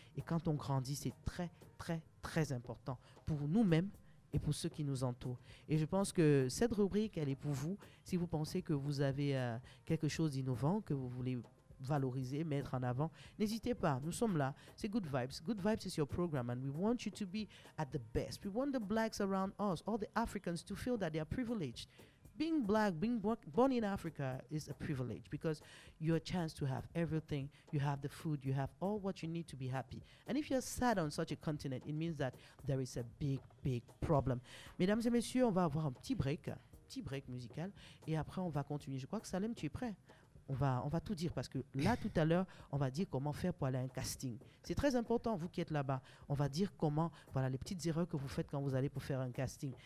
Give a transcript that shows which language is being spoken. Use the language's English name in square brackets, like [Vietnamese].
[French] Et quand on grandit, c'est très, très, très important pour nous-mêmes et pour ceux qui nous entourent. Et je pense que cette rubrique, elle est pour vous. Si vous pensez que vous avez quelque chose d'innovant, que vous voulez valoriser, mettre en avant, n'hésitez pas, nous sommes là, c'est Good Vibes. [English] Good Vibes is your program and we want you to be at the best. We want the blacks around us, all the Africans, to feel that they are privileged. Being black, being born in Africa is a privilege because you're a chance to have everything. You have the food, you have all what you need to be happy. And if you're sad on such a continent, it means that there is a big, big problem. [French] Mesdames et messieurs, on va avoir un petit break musical et après on va continuer. Je crois que Salem, tu es prêt? On va tout dire parce que là, tout à l'heure, on va dire comment faire pour aller à un casting. C'est très important, vous qui êtes là-bas. On va dire comment, voilà, les petites erreurs que vous faites quand vous allez pour faire un casting.